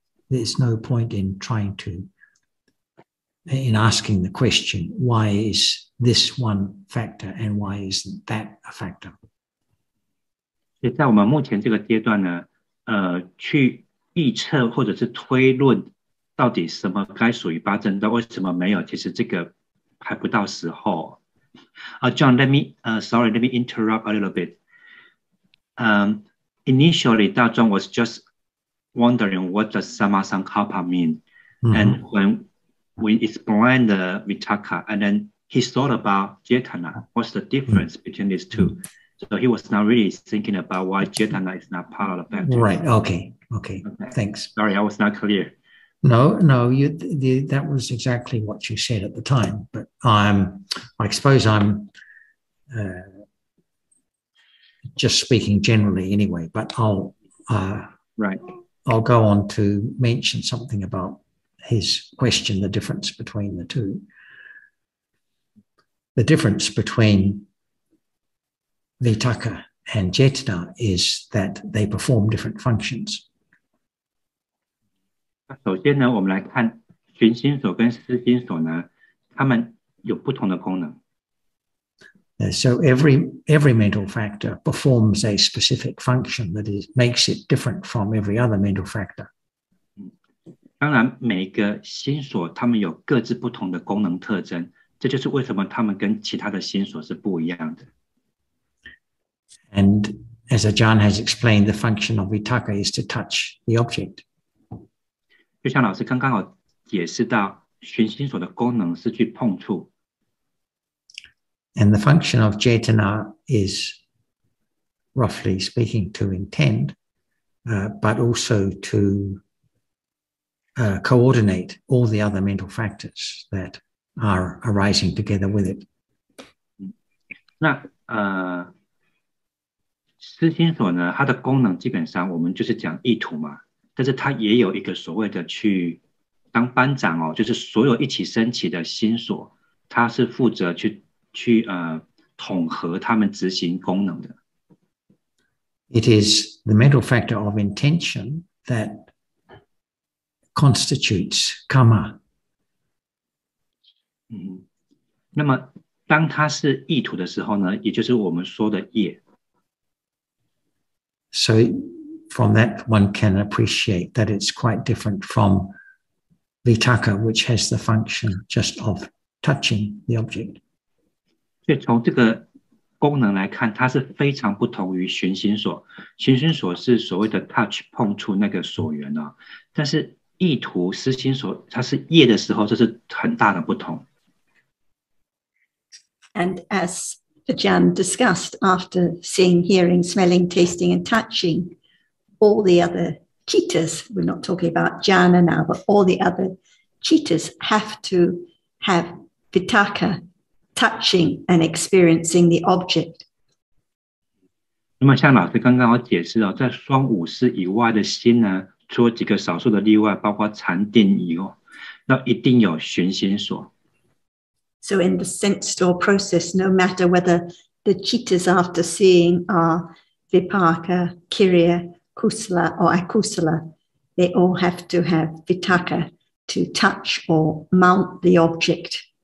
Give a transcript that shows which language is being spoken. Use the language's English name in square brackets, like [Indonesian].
[English] There's no point in trying to, in asking the question, why is this one factor and why isn't that a factor? [Chinese] 在我们目前这个阶段呢，去预测或者是推论到底什么该属于八正道，为什么没有，其实这个还不到时候。 [English] John, let me, sorry, let me interrupt a little bit. Initially, Da Zhuang was just wondering what does Samasankalpa mean? Mm-hmm. And when we explained the Vitakka, and then he thought about Jetana, what's the difference mm-hmm. between these two? So he was not really thinking about why Jetana is not part of the factor. Right, okay, thanks. Sorry, I was not clear. No, that was exactly what you said at the time. But I suppose I'm just speaking generally anyway, but I'll go on to mention something about his question, the difference between the two. The difference between vitakka and jetana is that they perform different functions. [Chinese] 首先呢，我们来看寻心所跟思心所呢，它们有不同的功能。 [English] So every mental factor performs a specific function that is makes it different from every other mental factor. [Chinese] 当然，每个心所它们有各自不同的功能特征，这就是为什么它们跟其他的心所是不一样的。 [English] And as Ajahn has explained, the function of vitakka is to touch the object. [Chinese] 就像老师刚刚有解释到，寻心所的功能是去碰触。 [English] And the function of jetana is, roughly speaking, to intend, but also to coordinate all the other mental factors that are arising together with it. [Chinese] 那思心所呢？它的功能基本上我们就是讲意图嘛。但是它也有一个所谓的去当班长哦，就是所有一起升起的心所，它是负责去统合他们执行功能的。 [English] It is the mental factor of intention that constitutes karma. [Chinese] 那么当它是意图的时候呢，也就是我们说的业。 [English] So. From that, one can appreciate that it's quite different from vitakka, which has the function just of touching the object. [Chinese] 所以从这个功能来看，它是非常不同于寻心所。寻心所是所谓的 touch 碰触那个所缘啊，但是意图思心所，它是业的时候，这是很大的不同。 [English] And as Ajahn discussed, after seeing, hearing, smelling, tasting, and touching. All the other cheetahs, we're not talking about jhana now, but all the other cheetahs have to have vitakka, touching and experiencing the object. [Chinese] 那么像老师刚刚有解释哦，在双五识以外的心呢，除了几个少数的例外，包括禅定以外，那一定有寻心所。 [English] So in the sense door process, no matter whether the cheetahs after seeing are vipaka, kiriya,Kusala or akusala, they all have to have vitakka to touch or mount the object